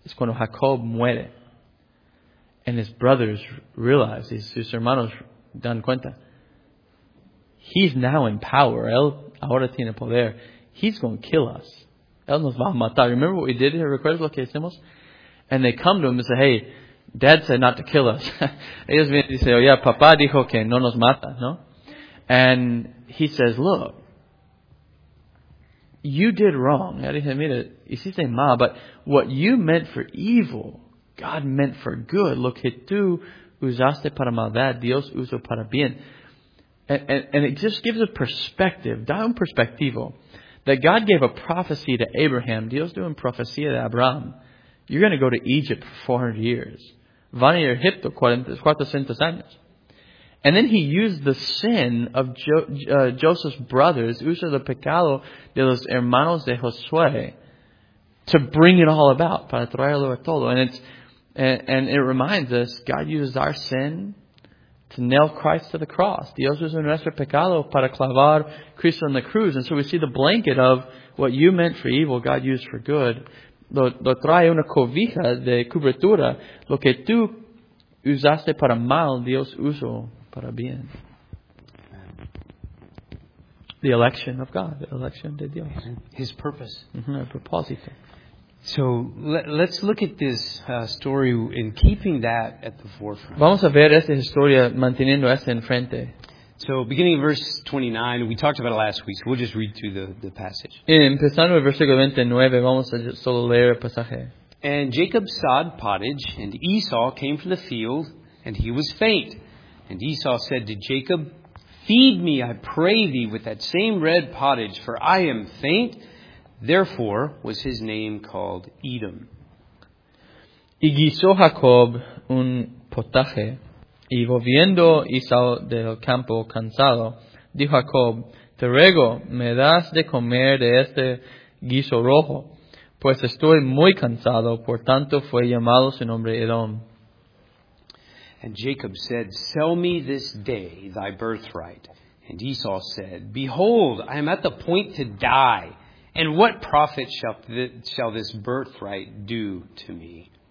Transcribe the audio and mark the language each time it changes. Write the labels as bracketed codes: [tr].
[es] Es cuando Jacob muere. [en] And his brothers realize, [es] sus hermanos dan cuenta, [en] he's now in power. [es] Él ahora tiene poder. [en] He's going to kill us. [es] Él nos va a matar. [en] Remember what we did here? [es] ¿Recuerdas lo que hicimos? [en] And they come to him and say, hey, dad said not to kill us. [es] Ellos vienen y dicen, oh yeah, papá dijo que no nos mata, ¿no? [en] And he says, look, you did wrong. [es] Él dice, mira, hiciste mal, [en] but what you meant for evil, God meant for good. [es] Lo que tú usaste para maldad, Dios usó para bien. [en] And it just gives a perspective, [es] da un perspectivo, [en] that God gave a prophecy to Abraham. [es] Dios dio una profecía de Abraham. [en] You're going to go to Egypt for 400 years. [es] Van a Egipto 400 años. [en] And then he used the sin of Joseph's brothers, [es] usó el pecado de los hermanos de Josué, [en] to bring it all about, [es] para traerlo a todo. [en] And it reminds us, God uses our sin to nail Christ to the cross. [es] Dios usa nuestro pecado para clavar Cristo en la cruz. [en] And so we see the blanket of what you meant for evil, God used for good. [es] Lo trae una cobija de cobertura. Lo que tú usaste para mal, Dios usó para bien. [en] The election of God, the election [es] de Dios. [en] His purpose. [es] Mm-hmm, a propósito. [en] So let's look at this story in keeping that at the forefront. [es] Vamos a ver esta historia manteniendo esta enfrente. [en] So beginning of verse 29, we talked about it last week, so we'll just read through the passage. [es] Empezando el versículo 29, vamos a solo leer el pasaje. [en] And Jacob sawed pottage, and Esau came from the field, and he was faint. And Esau said to Jacob, feed me, I pray thee, with that same red pottage, for I am faint. Therefore was his name called Edom. [es] Y guisó Jacob un potaje, y volviendo Esau del campo cansado, dijo Jacob, te ruego, me das de comer de este guiso rojo, pues estoy muy cansado, por tanto fue llamado su nombre Edom. [en] And Jacob said, sell me this day thy birthright. And Esau said, "Behold, I am at the point to die, and what profit shall this birthright do to me?"